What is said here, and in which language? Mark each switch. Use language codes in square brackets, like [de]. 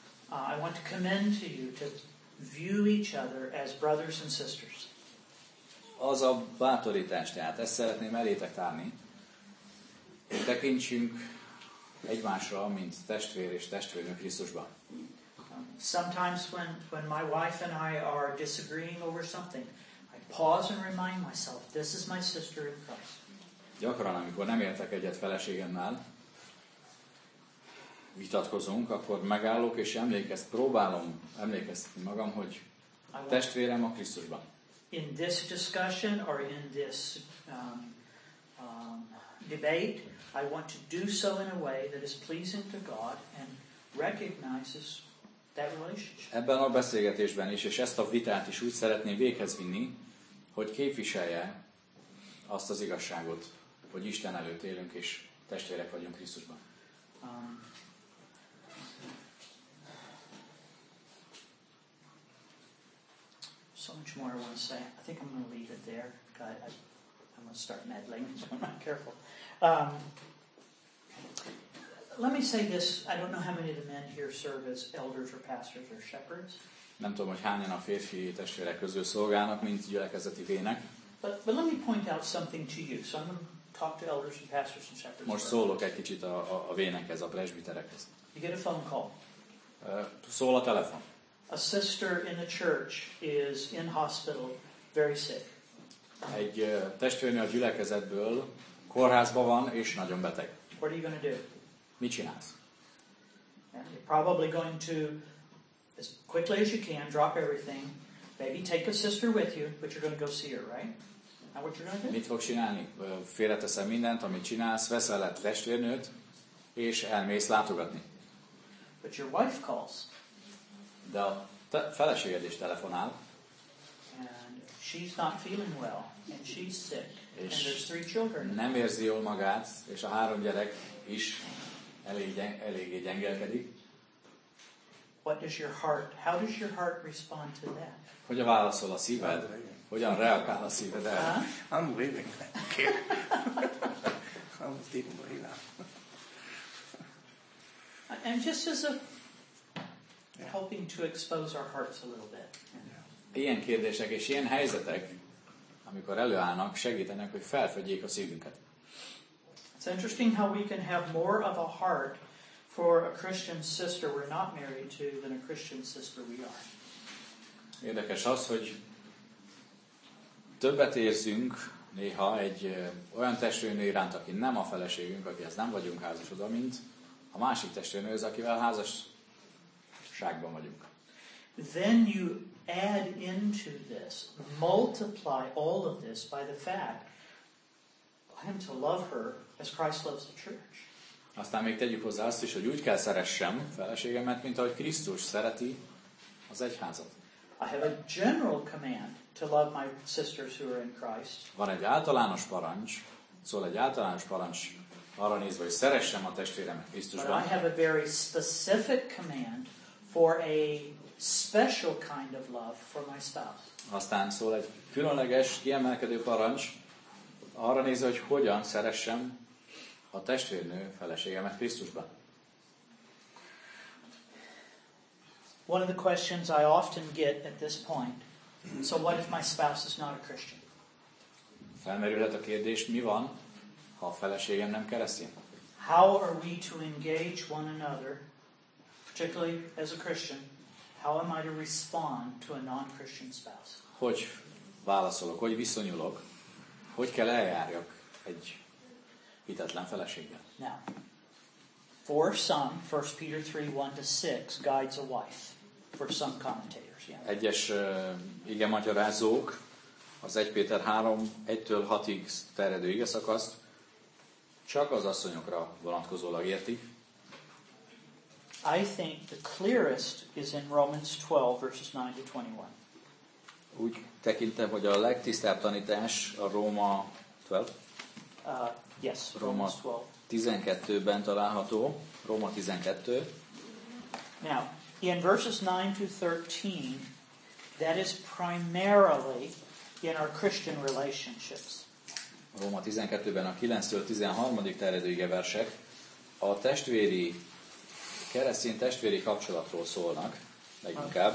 [en] I want to commend to you to view each other as brothers and sisters. [hu] Az a bátorítás, tehát ezt szeretném elétek tárni. Tekintsünk egymásra, mint testvér és testvérnő Krisztusban. [en] Sometimes when my wife and I are disagreeing over something, I pause and remind myself, this is my sister in Christ. [hu] Gyakran, amikor nem értek egyet feleségemmel, vitatkozunk, akkor megállok és próbálom emlékeztetni magam, hogy testvérem a Krisztusban. [en] In this discussion or in this debate, I want to do so in a way that is pleasing to God and recognizes that relationship. [hu] Ebben a beszélgetésben is, és ezt a vitát is úgy szeretném véghez vinni, hogy képviselje azt az igazságot, hogy Isten előtt élünk és testvérek vagyunk Krisztusban. [en] So much more I want to say. I think I'm going to leave it there. I'm going to start meddling, so I'm not careful. Let me say this. I don't know how many of the men here serve as elders or pastors or shepherds. [hu] Nem tudom, hogy hányan a férfi testvérek közül szolgálnak, mint gyülekezeti vének. [en] But let me point out something to you. So I'm going to talk to elders and pastors and shepherds. [hu] Most szólok egy kicsit a vénekhez, a presbiterekhez. [en] You get a phone call. [hu] Szól a telefon. [en] A sister in the church is in hospital, very sick. [hu] Egy testvérnő a gyülekezetből kórházban van és nagyon beteg. [en] What are you going to do? [hu] Mit csinálsz? [en] Yeah, you're probably going to, as quickly as you can, drop everything. Maybe take a sister with you, but you're going to go see her, right? Now what you're going to do? [hu] Mit fogsz csinálni? Félreteszel mindent, amit csinálsz, veszel a testvérnőt és elmész látogatni. [en] But your wife calls. [hu] De a feleséged is telefonál. [en] And she's not feeling well, and she's sick, és and there's three children. [hu] Nem érzi jól magát, és a három gyerek is eléggé gyengelkedik. [en] What does your heart, how does your heart respond to that? [hu] Hogyan válaszol a szíved? Hogyan reagál a szíved erre? [en] I'm leaving. I'm leaving. And just as a helping to expose our hearts a little bit. [hu] Ilyen kérdések és ilyen helyzetek, amikor előállnak, segítenek, hogy felfedjék a szívünket. [en] It's interesting how we can have more of a heart for a Christian sister we're not married to than a Christian sister we are. [hu] Érdekes az, hogy többet érzünk néha egy olyan testvérnő iránt, aki nem a feleségünk, akihez nem vagyunk házasodva, mint a másik testvérnő az, akivel házas. [en] Then you add into this, multiply all of this by the fact I am to love her as Christ loves the church. [hu] Aztán még tegyük hozzá azt is, hogy úgy kell szeressem feleségemet, mint ahogy Krisztus szereti az egyházat. [en] I have a general command to love my sisters who are in Christ. [hu] Van egy általános parancs, szóval egy általános parancs arra nézve, hogy szeressem a testvéremet Krisztusban. [en] But I have a very specific command for a special kind of love for my spouse. [hu] Aztán szól egy különleges, kiemelkedő parancs, arra nézve, hogy hogyan szeressem a testvérnő feleségemet Krisztusban. [en] One of the questions I often get at this point, so what if my spouse is not a Christian? [hu] Felmerülhet a kérdés, mi van, ha a feleségem nem keresztény? [en] How are we to engage one another, particularly as a Christian, how am I to respond to a non-Christian spouse? [hu] Hogy válaszolok, hogy viszonyulok, hogy kell eljárjak egy hitetlen feleséggel? [en] Now, for some, 1 Peter 3, 1-6 guides a wife, for some commentators. Yeah. [hu] Egyes ige magyarázók az 1 Péter 3, 1-től 6-ig terjedő ige szakaszt csak az asszonyokra vonatkozólag érti. [en] I think the clearest is in Romans 12, verses 9-21. [hu] Úgy tekintem, hogy a legtisztább tanítás a Róma 12. [en] Yes, [hu] Róma 12-ben található. Róma 12. [en] Now, in verses 9-13, that is primarily in our Christian relationships. [hu] Róma 12-ben a 9-től 13-dik terjedő igeversek a testvéri, keresztény testvéri kapcsolatról szólnak, leginkább.